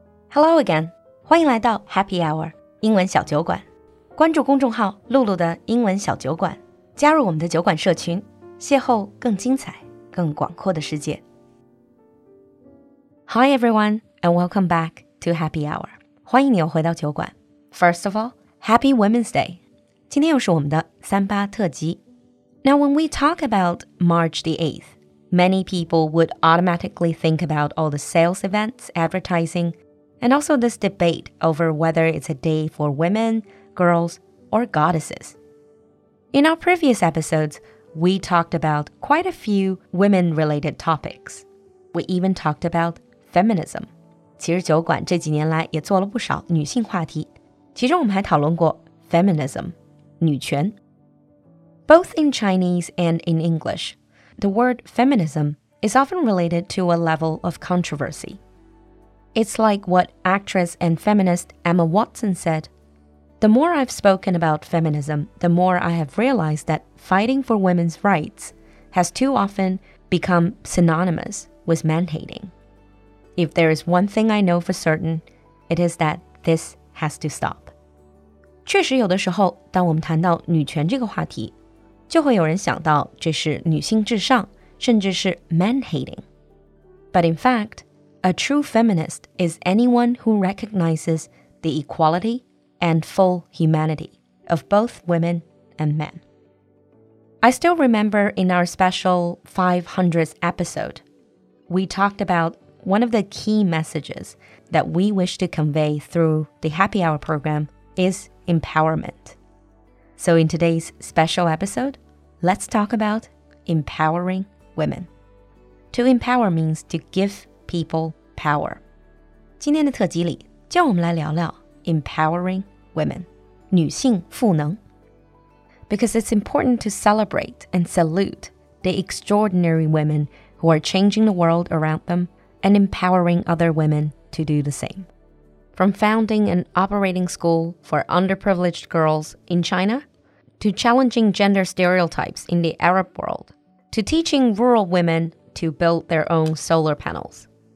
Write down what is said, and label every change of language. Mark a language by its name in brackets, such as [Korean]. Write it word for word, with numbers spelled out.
[English] Hello again， [Chinese] 欢迎来到 Happy Hour 英文小酒馆，关注公众号露露的英文小酒馆，加入我们的酒馆社群，邂逅更精彩更广阔的世界。 [English] Hi everyone and welcome back to Happy Hour， [Chinese] 欢迎你又回到酒馆。 [English] First of all, Happy Women's Day， [Chinese] 今天又是我们的三八特辑。 [English] Now when we talk about March the eighth, many people would automatically think about all the sales events, advertising,And also this debate over whether it's a day for women, girls, or goddesses. In our previous episodes, we talked about quite a few women-related topics. We even talked about feminism. [Chinese] 其实酒馆这几年来也做了不少女性话题，其中我们还讨论过 feminism, 女权. [English] Both in Chinese and in English, the word feminism is often related to a level of controversy. It's like what actress and feminist Emma Watson said, "The more I've spoken about feminism, the more I have realized that fighting for women's rights has too often become synonymous with man-hating. If there is one thing I know for certain, it is that this has to stop." [Chinese] 确实有的时候，当我们谈到女权这个话题，就会有人想到这是女性至上，甚至是 man-hating. [English] But in fact,A true feminist is anyone who recognizes the equality and full humanity of both women and men. I still remember in our special five hundredth episode, we talked about one of the key messages that we wish to convey through the Happy Hour program is empowerment. So in today's special episode, let's talk about empowering women. To empower means to give people power. [Chinese] 今天的特辑里，就让我们来聊聊 empowering women, 女性赋能。 [English] Because it's important to celebrate and salute the extraordinary women who are changing the world around them and empowering other women to do the same. From founding an operating school for underprivileged girls in China, to challenging gender stereotypes in the Arab world, to teaching rural women to build their own solar panels.